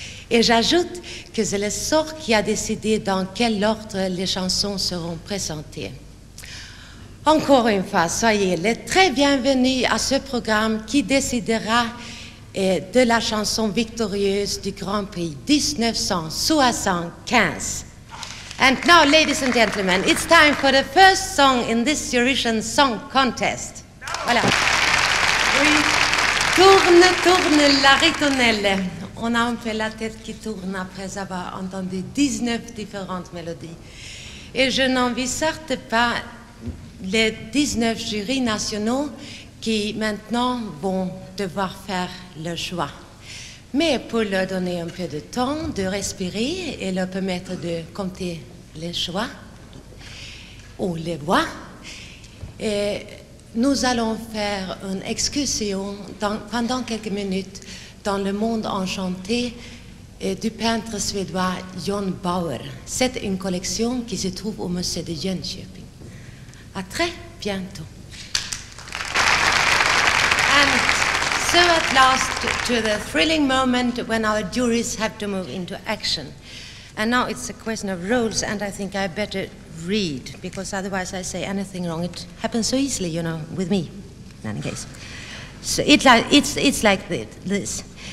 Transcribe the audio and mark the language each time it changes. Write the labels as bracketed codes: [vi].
[fr] Et j'ajoute que c'est le sort qui a décidé dans quel ordre les chansons seront présentées. Encore une fois, soyez les très bienvenus à ce programme qui décidera de la chanson victorieuse du Grand Prix 1975. [en] And now, ladies and gentlemen, it's time for the first song in this Eurovision Song Contest. [fr] Voilà. Oui. Tourne, tourne la ritonelle. On a un peu la tête qui tourne après avoir entendu 19 différentes mélodies. Et je n'envisage pas les 19 jurys nationaux qui maintenant vont devoir faire le choix. Mais pour leur donner un peu de temps de respirer et leur permettre de compter les choix ou les voix, et nous allons faire une excursion pendant quelques minutes dans le monde enchanté du peintre suédois John Bauer. C'est une collection qui se trouve au musée de Jönköping. À très bientôt. [en] So at last to the thrilling moment when our juries have to move into action. And now it's a question of roles, and I think I better read, because otherwise I say anything wrong. It happens so easily, you know, with me, in any case. So it's like this.